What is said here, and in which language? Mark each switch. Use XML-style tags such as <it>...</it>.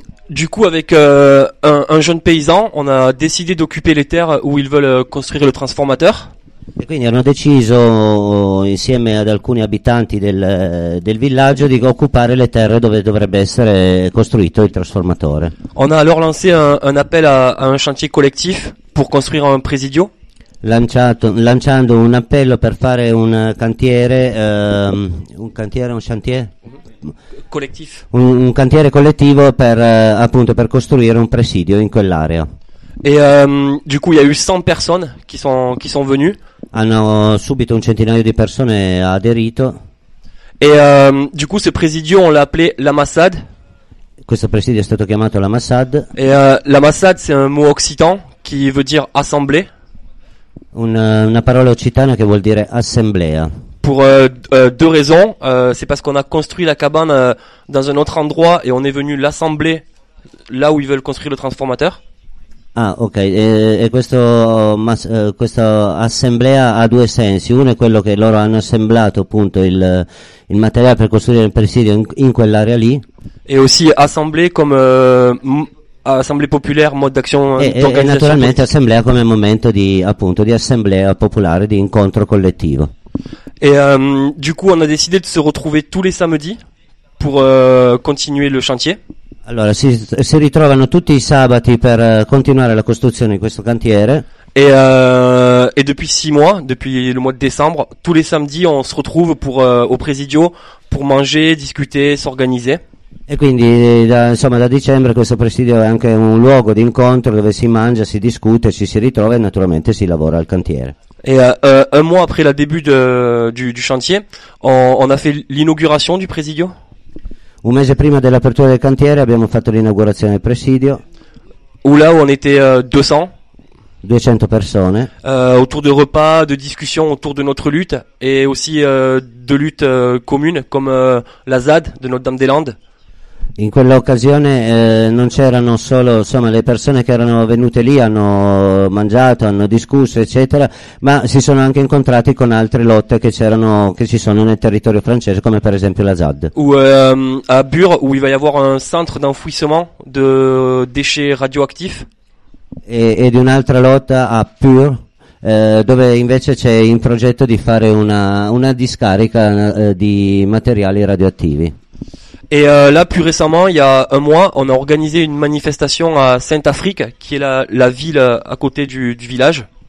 <fr>Du coup, avec un jeune paysan, on a décidé d'occuper les terres où ils veulent construire le transformateur.</fr> <it>E quindi hanno deciso insieme ad alcuni abitanti del villaggio di occupare le terre dove dovrebbe essere costruito il trasformatore.</it> <fr>On a alors lancé un appel a un chantier collectif pour construire un presidio.</fr> <it>Lanciando un appello per fare un cantiere,</it> <fr>collectif.</fr> <it>Un cantiere collettivo per appunto per costruire un presidio in quell'area.</it> <fr>Et du coup, il y a eu 100 personnes qui sont venues.</fr> <it>Hanno subito un centinaio di persone aderito.</it> <fr>Et du coup, ce presidio, on l'a appelé la Massad.</fr> <it>Questo presidio è stato chiamato la Massad.</it> <fr>La Massad, c'est un mot occitan qui veut dire assemblée.</fr> <it>Una parola occitana che vuol dire assemblea.</it> <fr>Pour deux raisons, c'est parce qu'on a construit la cabane dans un autre endroit et on est venu l'assembler là où ils veulent construire le transformateur.</fr> <it>Ah, ok. E questo questa assemblea ha due sensi. Uno è quello che loro hanno assemblato appunto il materiale per costruire il presidio in quell'area lì.</it> <fr>E aussi assemblée comme assemblée populaire mode d'action.</fr> <it>E naturalmente politica. Assemblea come momento di appunto di assemblea popolare, di incontro collettivo.</it> <fr>Et du coup, on a décidé de se retrouver tous les samedis pour continuer le chantier.</fr> <it>Allora, si ritrovano tutti i sabati per continuare la costruzione di questo cantiere.</it> <fr>Et depuis 6 mois, depuis le mois de décembre, tous les samedis on se retrouve pour au presidio pour manger, discuter, s'organiser.</fr> <it>E quindi da dicembre questo presidio è anche un luogo di incontro dove si mangia, si discute, ci si ritrova e naturalmente si lavora al cantiere.</it> <fr>Et un mois après le début du chantier, on a fait l'inauguration du presidio.</fr> <it>Un mese prima dell'apertura del cantiere abbiamo fatto l'inaugurazione del presidio.</it> <fr>Où là où on était 200.</fr> <it>200 persone.</it> <fr>Autour de repas, de discussions autour de notre lutte et aussi de lutte commune comme la ZAD de Notre-Dame-des-Landes.</fr> <it>In quell'occasione non c'erano solo, insomma, le persone che erano venute lì, hanno mangiato, hanno discusso, eccetera, ma si sono anche incontrati con altre lotte che c'erano, che ci sono nel territorio francese, come per esempio la ZAD.</it> <fr>Ou à Bure, où il va y avoir un centre d'enfouissement de déchets radioactifs.</fr> <it>E di un'altra lotta a Pure, dove invece c'è in progetto di fare una discarica di materiali radioattivi.</it> <fr>Et là, plus récemment, il y a un mois, on a organisé une manifestation à Sainte-Afrique, qui est la ville à côté du village.</fr>